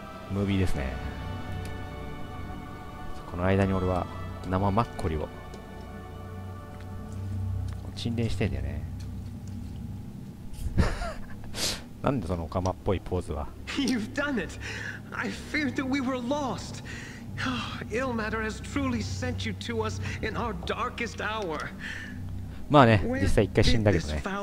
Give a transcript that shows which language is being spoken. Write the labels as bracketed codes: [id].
[ja] ムービーですね。この間に俺は生マッコリを沈殿してんだよね。なんでそのオカマっぽいポーズは。 [en] You've done it! I feared that we were lost! Oh, ill matter has truly sent you to us in our darkest hour. [ja] まあね、実際一回死んだけどね。